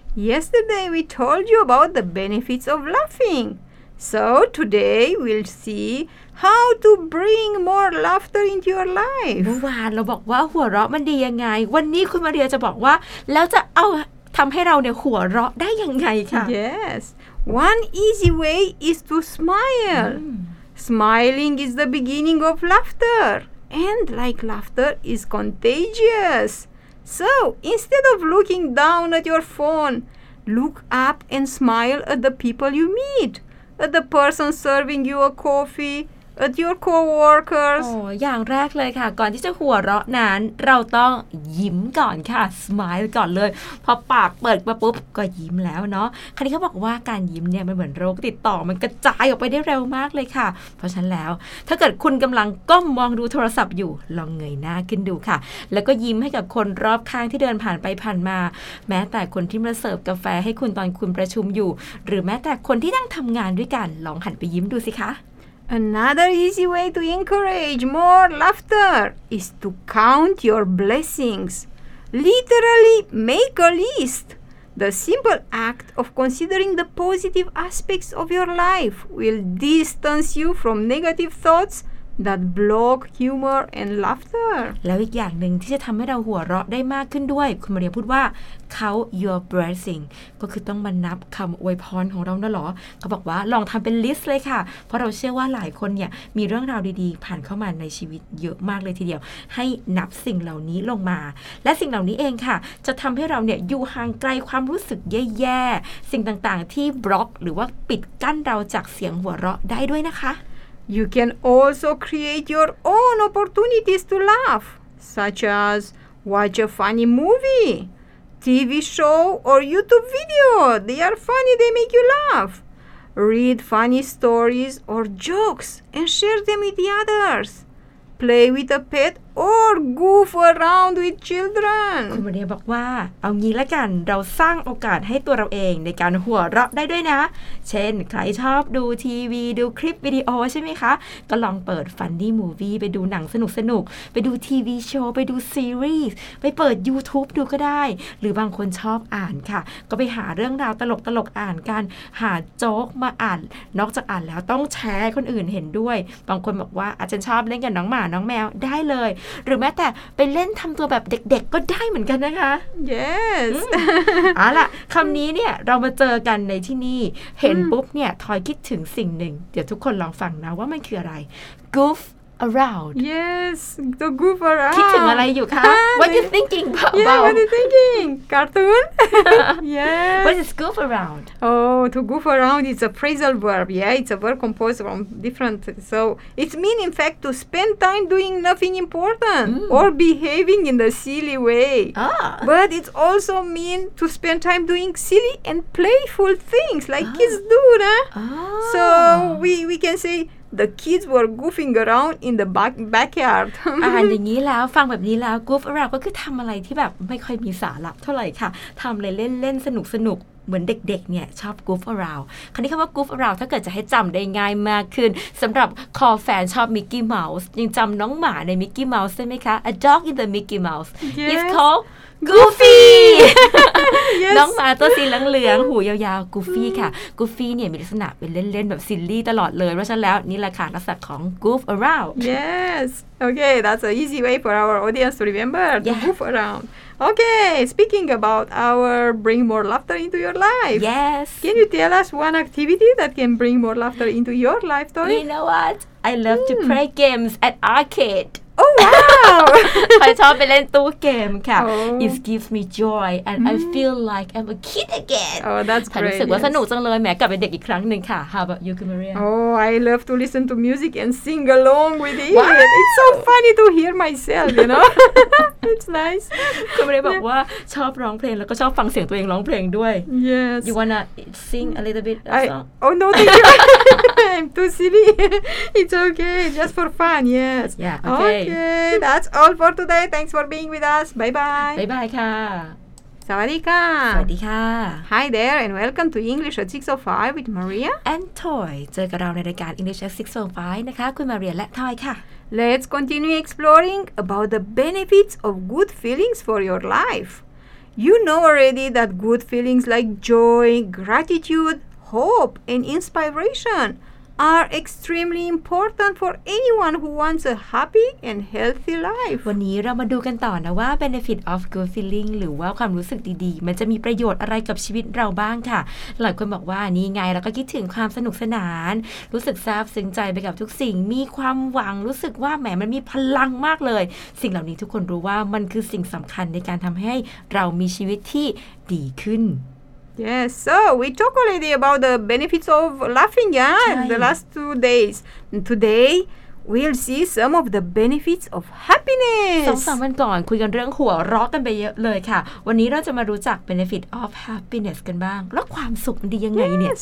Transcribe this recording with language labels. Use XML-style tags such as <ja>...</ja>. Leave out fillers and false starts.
<en>Yesterday we told you about the benefits of laughing so today we'll see how to bring more laughter into your life</en> <th>เมื่อวานเราบอกว่าหัวเราะมันดียังไงวันนี้คุณมาเรียจะบอกว่าแล้วจะเอาทำให้เราเนี่ยหัวเราะได้ยังไงค่ะ</th> <en>YesOne easy way is to smile. Mm. Smiling is the beginning of laughter. And like laughter is contagious. So instead of looking down at your phone, look up and smile at the people you meet, at the person serving you a coffee,at your coworkers</en> <th>อ๋ออย่างแรกเลยค่ะก่อนที่จะหัวเราะนั้นเราต้องยิ้มก่อนค่ะ smile ก่อนเลยพอปากเปิดมาปุ๊บก็ยิ้มแล้วเนาะคราวนี้เขาบอกว่าการยิ้มเนี่ยมันเหมือนโรคติดต่อมันกระจายออกไปได้เร็วมากเลยค่ะเพราะฉะนั้นแล้วถ้าเกิดคุณกำลังก้มมองดูโทรศัพท์อยู่ลองเงยหน้าขึ้นดูค่ะแล้วก็ยิ้มให้กับคนรอบข้างที่เดินผ่านไปผ่านมาแม้แต่คนที่มาเสิร์ฟกาแฟให้คุณตอนคุณประชุมอยู่หรือแม้แต่คนที่นั่งทำงานด้วยกันลองหันไปยิ้มดูสิคะ</th> <en>Another easy way to encourage more laughter is to count your blessings. Literally, make a list. The simple act of considering the positive aspects of your life will distance you from negative thoughts that block humor and laughter.</en> <th>แล้วอีกอย่างหนึ่งที่จะทำให้เราหัวเราะได้มากขึ้นด้วยคุณมาเรียพูดว่า</th> <en>Count your blessing</en> <th>ก็คือต้องมานับคำอวยพรของเราน่ะหรอเขาบอกว่าลองทำเป็นลิสต์เลยค่ะเพราะเราเชื่อว่าหลายคนเนี่ยมีเรื่องราวดีๆผ่านเข้ามาในชีวิตเยอะมากเลยทีเดียวให้นับสิ่งเหล่านี้ลงมาและสิ่งเหล่านี้เองค่ะจะทำให้เราเนี่ยอยู่ห่างไกลความรู้สึกแย่ๆสิ่งต่างๆที่บล็อกหรือว่าปิดกั้นเราจากเสียงหัวเราะได้ด้วยนะคะ</th> <en>You can also create your own opportunities to laugh such as watch a funny movieTV show or YouTube video. They are funny, they make you laugh. Read funny stories or jokes and share them with the others. Play with a pet or goof around with children.</en> <th>คุณมาเรียบอกว่าเอางี้ละกันเราสร้างโอกาสให้ตัวเราเองในการหัวเราะได้ด้วยนะเช่นใครชอบดูทีวีดูคลิปวิดีโอใช่ไหมคะ ก็ลองเปิด Funny Movie ไปดูหนังสนุกสนุกไปดูทีวีโชว์ไปดูซีรีส์ไปเปิด YouTube ดูก็ได้หรือบางคนชอบอ่านค่ะก็ไปหาเรื่องราวตลกตลกอ่านกันหาโจ๊กมาอ่านนอกจากอ่านแล้วต้องแชร์ให้คนอื่นเห็นด้วยบางคนบอกว่าอาจารย์ชอบเล่นกับน้องหมาน้องแมวได้เลยหรือแม้แต่ไปเล่นทำตัวแบบเด็กๆก็ได้เหมือนกันนะคะ</th> <en>Yes</en> <th>เอาล่ะคำนี้เนี่ยเรามาเจอกันในที่นี่เห็นปุ๊บเนี่ยทอยคิดถึงสิ่งหนึ่งเดี๋ยวทุกคนลองฟังนะว่ามันคืออะไร Goof around</th> <en>Yes the goof around</en> <th>คิดถึงอะไรอยู่คะ</th> <en>What you thinking about Yeah what you thinking cartoon Yes What is goof around Oh to goof around is a phrasal verb Yeah it's a verb composed from different so it means in fact to spend time doing nothing important or behaving in a silly way but it also means to spend time doing silly and playful things like kids do nah so we can sayThe kids were goofing around in the backyard.</en> <th>อ่านอย่างนี้แล้วฟังแบบนี้แล้ว goof around ก็คือทำอะไรที่แบบไม่ค่อยมีสาระเท่าไหร่ค่ะทำเลยเล่นๆสนุกๆ เหมือนเด็กๆเนี่ยชอบ goof around คราวนี้คำว่า goof around ถ้าเกิดจะให้จำได้ง่ายมากขึ้นสำหรับคอแฟนชอบ Mickey Mouse ยังจำน้องหมาใน Mickey Mouse ได้ไหมคะ</th> <en>A dog in the Mickey Mouse is called Goofy</en> <th>น้องหมาตัวสีเหลืองๆหูยาวๆ Goofy ค่ะ Goofy เนี่ยมีลักษณะเป็นเล่นๆแบบซิลลี่ตลอดเลยเพราะฉะนั้นแล้วนี่แหละค่ะลักษณะของ Goof around</th> <en>Yes Okay that's a easy way for our audience to remember to Goof aroundOkay, speaking about our bring more laughter into your life. Yes. Can you tell us one activity that can bring more laughter into your life, Tori? You know what? I love to play games at arcade. Oh, wow. I</en> <th>ชอบไปเล่นตู้เกมค่ะ</th> <en>It gives me joy and I feel like I'm a kid again. Oh, that's great.</en> <th>รู้สึกว่าสนุกจังเลยแหมกลับไปเด็กอีกครั้งนึงค่ะ</th> <en>How about you, Maria? Oh, I love to listen to music and sing along with it. Wow. It's so funny to hear myself, you know? It's nice.</en> <th>คุณไม่ได้บอกว่าชอบร้องเพลงแล้วก็ชอบฟังเสียงตัวเองร้องเพลงด้วย</th> <en>Yes. You wanna sing a little bit of song? Oh, no, thank you. I'm too silly. It's okay. Just for fun, yes. Yeah, okay. Okay, that's all for today. Thanks for being with us. Bye-bye. Bye-bye, ka.</en> <th>Sawadika. Sawadika.</th> <en>Hi there, and welcome to English at 605 with Maria. And Toy.</en> <th>เจอกับเราในรายการ English at 605นะคะคุณ Maria และ Toy ค่ะ</th> <en>Let's continue exploring about the benefits of good feelings for your life. You know already that good feelings like joy, gratitude, hope, and inspiration are extremely important for anyone who wants a happy and healthy life.</en> <th>วันนี้เรามาดูกันต่อนะว่า</th> <en>benefit of good feeling</en> <th>หรือว่าความรู้สึกดีๆมันจะมีประโยชน์อะไรกับชีวิตเราบ้างค่ะหลายคนบอกว่านี่ไงเราก็คิดถึงความสนุกสนานรู้สึกซาบซึ้งใจไปกับทุกสิ่งมีความหวังรู้สึกว่าแหมมันมีพลังมากเลยสิ่งเหล่านี้ทุกคนรู้ว่ามันคือสิ่งสำคัญในการทำให้เรามีชีวิตที่ดีขึ้น</th> <en>Yes, so we talked already about the benefits of laughing, yeah, in the last 2 days. And today, we'll see some of the benefits of happiness.</en> <th>สองสามวันก่อนคุยกันเรื่องหัวเราะกันไปเยอะเลยค่ะวันนี้เราจะมารู้จัก</th> <en>benefit of happiness</en> <th>กันบ้างแล้วความสุขมันดียังไงเนี่ย</th>